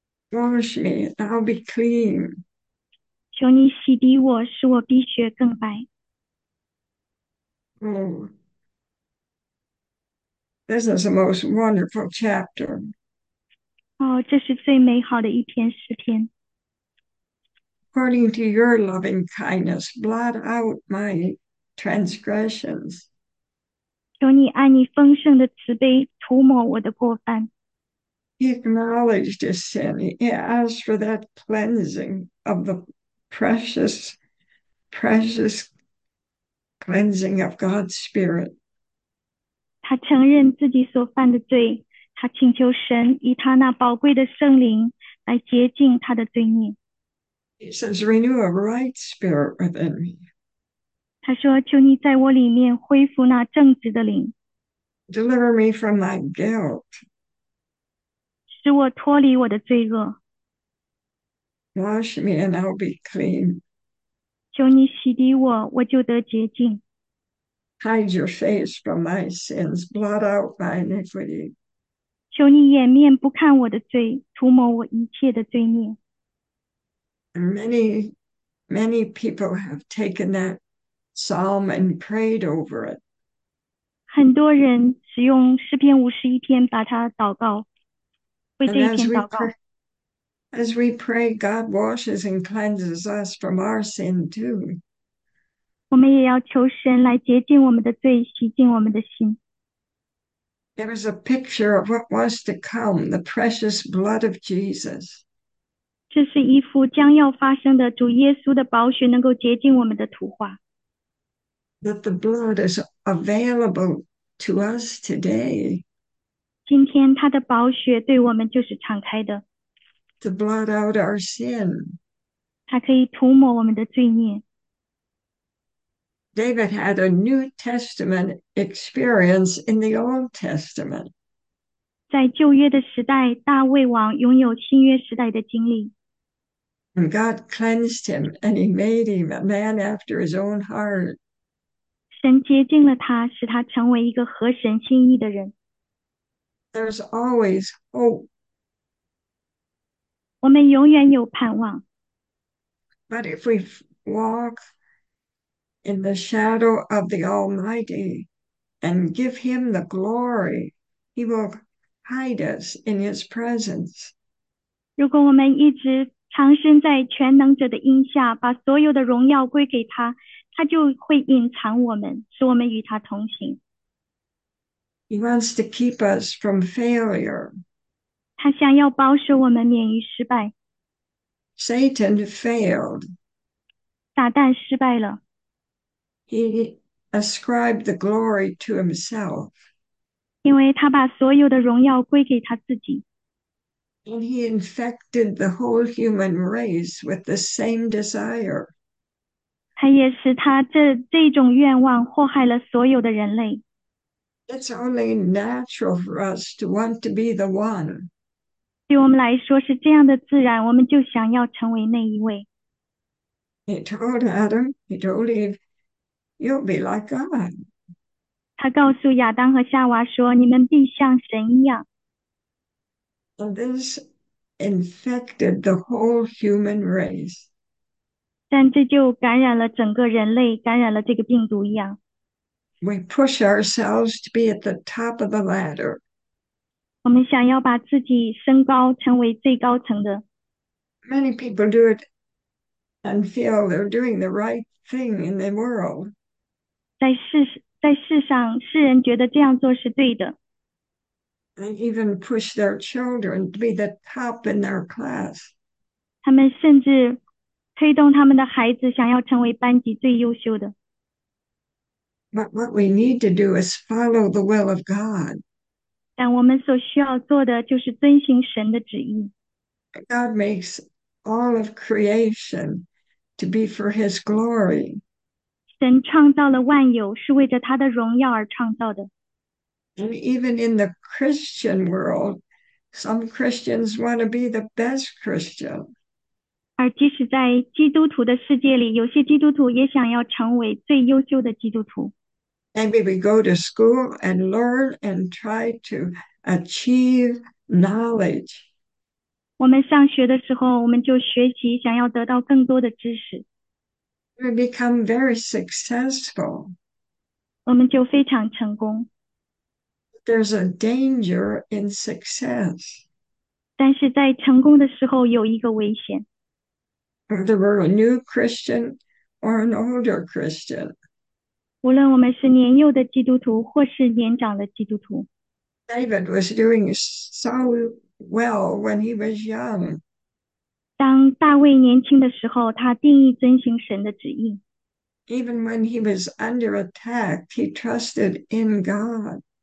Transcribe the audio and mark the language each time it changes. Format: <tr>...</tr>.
<en>Wash me, and I'll be clean.</en> <zh>求你洗涤我，使我鼻血更白。</zh> <en>Oh, this is the most wonderful chapter.</en> <zh>”哦，这是最美好的一篇诗篇。</zh> <en>According to your loving kindness, blot out my transgressions.</en> <zh>求你按你丰盛的慈悲涂抹我的过犯。</zh> <en>He acknowledged his sin. He asked for that cleansing of the precious, precious cleansing of God's Spirit.</en> <zh>他承认自己所犯的罪，他请求神以他那宝贵的圣灵来洁净他的罪孽。</zh> <en>He says, "Renew a right spirit within me.</en> <zh>他说：“求你在我里面恢复那正直的灵，</zh> <en>Deliver me from my guilt."</en> <zh>使我脱离我的罪恶。</zh> <en>Wash me and I'll be clean.</en> <zh>求你洗涤我，我就得洁净。</zh> <en>Hide your face from my sins. Blot out my iniquity.</en> <zh>求你掩面不看我的罪，涂抹我一切的罪孽。”</zh> <en>And many, many people have taken that psalm and prayed over it.</en> <zh>很多人使用诗篇51篇把它祷告，为</zh> <en>And</en> <zh>这一篇祷告。</zh> <en>as we pray, God washes and cleanses us from our sin too.</en> <zh>我们也要求神来洁净我们的罪，洗净我们的心。</zh> <en>There is a picture of what was to come, the precious blood of Jesus.</en> <zh>这是一幅将要发生的主耶稣的宝血能够洁净我们的图画。</zh> <en>That the blood is available to us today.</en> <zh>今天他的宝血对我们就是敞开的，</zh> <en>To blot out our sin.</en> <zh>他可以涂抹我们的罪孽。</zh> <en>David had a New Testament experience in the Old Testament.</en> <zh>在旧约的时代，大卫王拥有新约时代的经历。</zh> <en>And God cleansed him and he made him a man after his own heart.</en> <zh>神洁净了他，使他成为一个合神心意的人。</zh> <en>There's always hope.</en> <zh>我们永远有盼望。</zh> <en>But if we walk in the shadow of the Almighty and give Him the glory, He will hide us in his presence.</en> <zh>如果我们一直藏身在全能者的荫下，把所有的荣耀归给他，他就会隐藏我们，使我们与他同行。</zh> <en>He wants to keep us from failure.</en> <zh>他想要保守我们免于失败。</zh> <en>Satan failed.</en> <zh>撒旦失败了。</zh> <en>He ascribed the glory to himself.</en> <zh>因为他把所有的荣耀归给他自己。</zh> <en>And he infected the whole human race with the same desire.</en> <zh>他也使他这种愿望祸害了所有的人类。</zh> <en>It's only natural for us to want to be the one.</en> <zh>对我们来说是这样的自然，我们就想要成为那一位。</zh> <en>He told Adam, he told Eve, you'll be like God.</en> <zh>他告诉亚当和夏娃说：“你们必像神一样。</zh> <en>And this infected the whole human race.</en> <zh>”但这就感染了整个人类，感染了这个病毒一样。</zh> <en>We push ourselves to be at the top of the ladder.</en> <zh>我们想要把自己升高，成为最高层的。</zh> <en>Many people do it and feel they're doing the right thing in the world.</en> <zh>在世上，世人觉得这样做是对的。</zh> <en>They even push their children to be the top in their class.</en> <zh>他们甚至推动他们的孩子想要成为班级最优秀的。</zh> <en>But what we need to do is follow the will of God.</en> <zh>但我们所需要做的就是遵循神的旨意。</zh> <en>God makes all of creation to be for his glory.</en> <zh>神创造了万有，是为着他的荣耀而创造的。</zh> <en>And even in the Christian world, some Christians want to be the best Christian.</en> <zh>而即使在基督徒的世界里，有些基督徒也想要成为最优秀的基督徒。</zh> <en>Maybe we go to school and learn and try to achieve knowledge.</en> <zh>我们上学的时候，我们就学习，想要得到更多的知识。</zh> <en>We become very successful.</en> <zh>我们就非常成功，</zh> <en>There's a danger in success.</en> <zh>但是在成功的时候有一个危险。</zh> <en>Whether we're a new Christian or an older Christian.</en> <zh>无论我们是年幼的基督徒或是年长的基督徒，</zh> <en>David was doing so well when he was young.</en> <zh>当大卫年轻的时候，他定义遵循神的旨意。</zh> <en>Even when he was under attack, he trusted in God.</en>